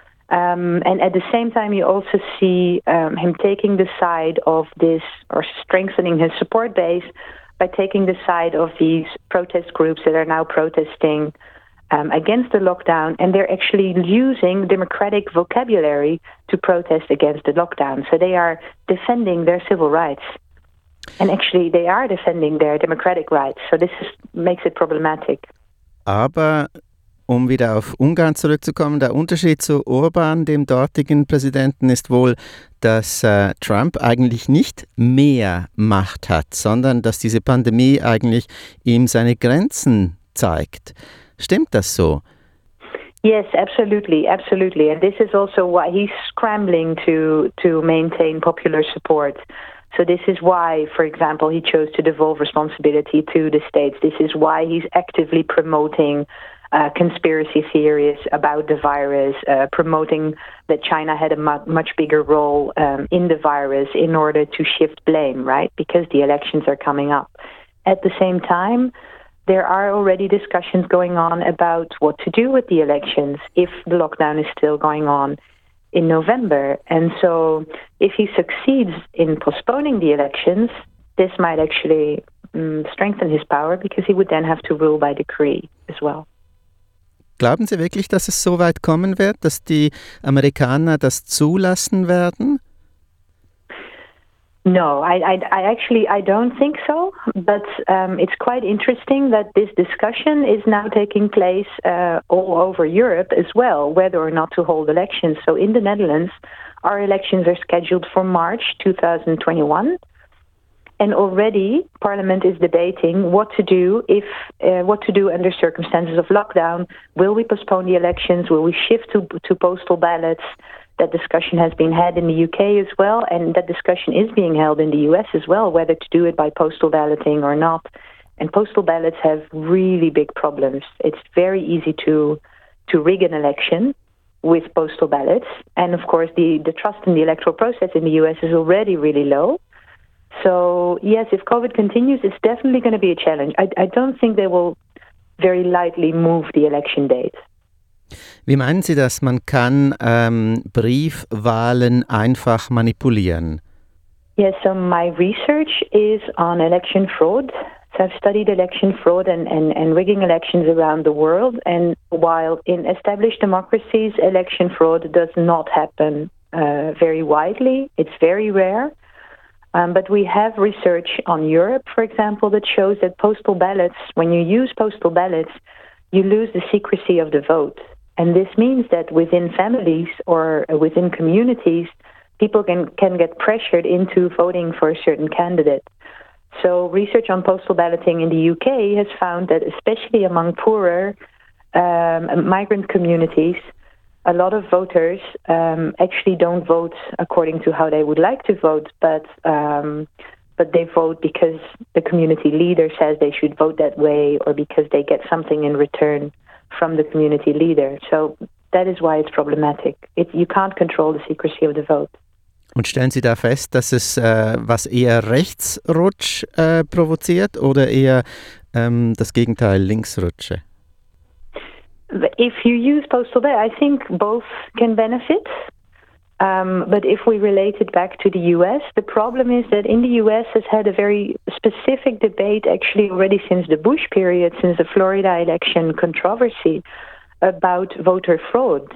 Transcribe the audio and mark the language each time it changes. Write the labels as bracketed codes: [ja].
[en] And at the same time, you also see him taking the side of this, or strengthening his support base by taking the side of these protest groups that are now protesting against the lockdown, and they're actually using democratic vocabulary to protest against the lockdown. So they are defending their civil rights. And actually, they are defending their democratic rights, so this makes it problematic. [de] Aber um wieder auf Ungarn zurückzukommen, der Unterschied zu Orbán, dem dortigen Präsidenten, ist wohl, dass Trump eigentlich nicht mehr Macht hat, sondern dass diese Pandemie eigentlich ihm seine Grenzen zeigt. Stimmt das so? [en] Yes, absolutely, absolutely. And this is also why he's scrambling to maintain popular support. So this is why, for example, he chose to devolve responsibility to the states. This is why he's actively promoting conspiracy theories about the virus, promoting that China had a much bigger role in the virus in order to shift blame, right? Because the elections are coming up. At the same time, there are already discussions going on about what to do with the elections if the lockdown is still going on in November. And so if he succeeds in postponing the elections, this might actually strengthen his power, because he would then have to rule by decree as well. [de] Glauben Sie wirklich, dass es so weit kommen wird, dass die Amerikaner das zulassen werden? [en] No, I don't think so, but it's quite interesting that this discussion is now taking place all over Europe as well, whether or not to hold elections. So in the Netherlands, our elections are scheduled for March 2021, And already Parliament is debating what to do if what to do under circumstances of lockdown. Will we postpone the elections? Will we shift to postal ballots? That discussion has been had in the UK as well, and that discussion is being held in the US as well, whether to do it by postal balloting or not. And postal ballots have really big problems. It's very easy to rig an election with postal ballots. And of course, the trust in the electoral process in the US is already really low. So yes, if COVID continues, it's definitely going to be a challenge. I don't think they will very lightly move the election date. [de] Wie meinen Sie das? Man kann Briefwahlen einfach manipulieren? [en] Yes, so my research is on election fraud. So I've studied election fraud and rigging elections around the world. And while in established democracies, election fraud does not happen very widely, it's very rare. But we have research on Europe, for example, that shows that postal ballots, when you use postal ballots, you lose the secrecy of the vote. And this means that within families or within communities, people can get pressured into voting for a certain candidate. So research on postal balloting in the UK has found that especially among poorer migrant communities, a lot of voters actually don't vote according to how they would like to vote, but they vote because the community leader says they should vote that way or because they get something in return from the community leader. So that is why it's problematic. You can't control the secrecy of the vote. [de] Und stellen Sie da fest, dass es was eher Rechtsrutsch provoziert oder eher das Gegenteil, Linksrutsche? [en] If you use postal ballot, I think both can benefit. But if we relate it back to the US, the problem is that in the US has had a very specific debate actually already since the Bush period, since the Florida election controversy about voter fraud.